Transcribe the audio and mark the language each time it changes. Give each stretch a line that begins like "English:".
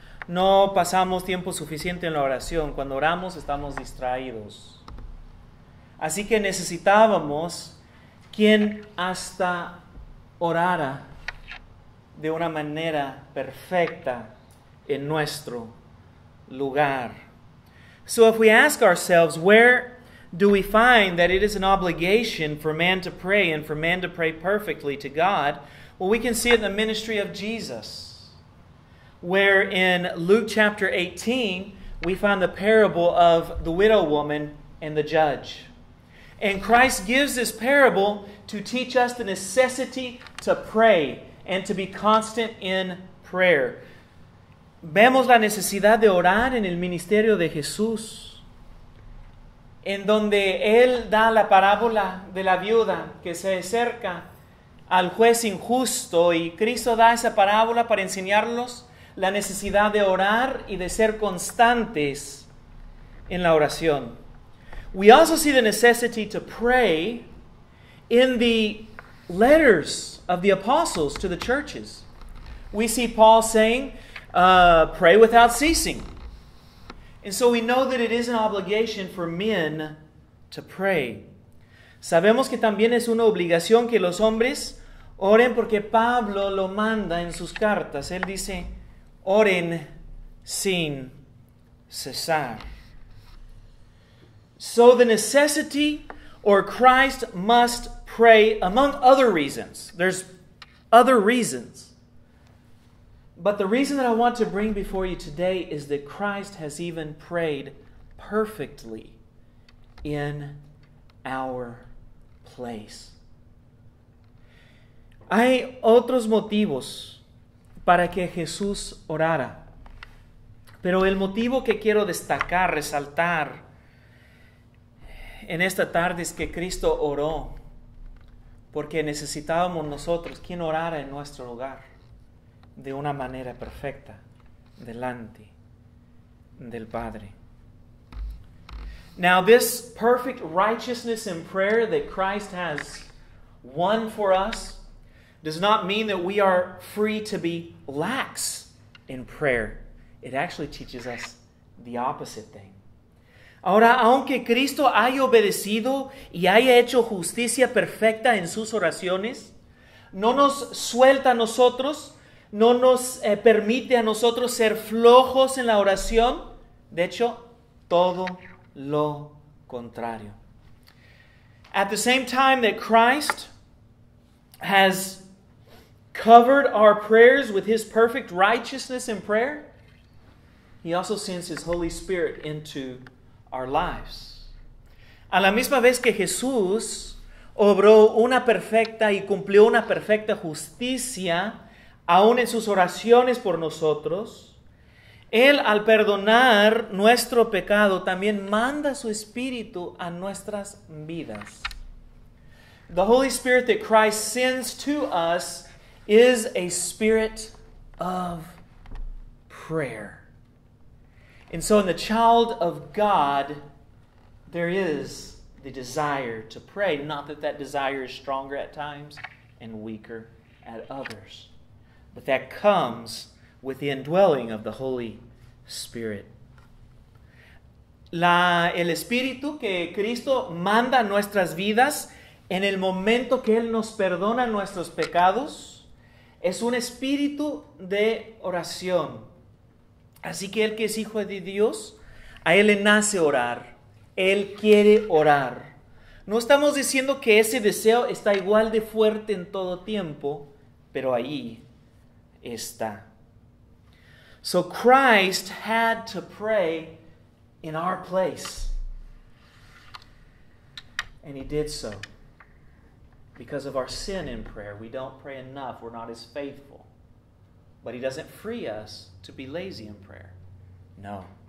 Spanish: No pasamos tiempo suficiente en la oración. Cuando oramos, estamos distraídos. Así que necesitábamos quien hasta orara de una manera perfecta en nuestro lugar.
English: So if we ask ourselves, where do we find that it is an obligation for man to pray and for man to pray perfectly to God? Well, we can see it in the ministry of Jesus, where in Luke chapter 18, we find the parable of the widow woman and the judge. And Christ gives this parable to teach us the necessity to pray and to be constant in prayer.
Spanish: Vemos la necesidad de orar en el ministerio de Jesús, en donde Él da la parábola de la viuda que se acerca al juez injusto, y Cristo da esa parábola para enseñarnos la necesidad de orar y de ser constantes en la oración.
English: We also see the necessity to pray in the letters of the apostles to the churches. We see Paul saying, pray without ceasing. And so we know that it is an obligation for men to pray.
Spanish: Sabemos que también es una obligación que los hombres oren, porque Pablo lo manda en sus cartas. Él dice, oren sin cesar.
English: So the necessity, or Christ must pray, among other reasons. There's other reasons. But the reason that I want to bring before you today is that Christ has even prayed perfectly in our place.
Spanish: Hay otros motivos para que Jesús orara. Pero el motivo que quiero destacar, resaltar en esta tarde es que Cristo oró porque necesitábamos nosotros quien orara en nuestro lugar de una manera perfecta delante del Padre.
English: Now, this perfect righteousness in prayer that Christ has won for us does not mean that we are free to be lax in prayer. It actually teaches us the opposite thing.
Spanish: Ahora, aunque Cristo haya obedecido y haya hecho justicia perfecta en sus oraciones, no nos suelta a nosotros, no nos permite a nosotros ser flojos en la oración. De hecho, todo lo contrario.
English: At the same time that Christ has covered our prayers with His perfect righteousness in prayer, He also sends His Holy Spirit into our lives.
Spanish: A la misma vez que Jesús obró una perfecta y cumplió una perfecta justicia, aún en sus oraciones por nosotros, Él al perdonar nuestro pecado también manda su Espíritu a nuestras vidas.
English: The Holy Spirit that Christ sends to us is a spirit of prayer. And so in the child of God, there is the desire to pray. Not that that desire is stronger at times and weaker at others. But that comes with the indwelling of the Holy Spirit.
Spanish: El Espíritu que Cristo manda a nuestras vidas en el momento que Él nos perdona nuestros pecados es un espíritu de oración. Así que el que es hijo de Dios, a Él le nace orar. Él quiere orar. No estamos diciendo que ese deseo está igual de fuerte en todo tiempo, pero ahí está.
English: So Christ had to pray in our place. And He did so. Because of our sin in prayer, we don't pray enough. We're not as faithful. But He doesn't free us to be lazy in prayer. No.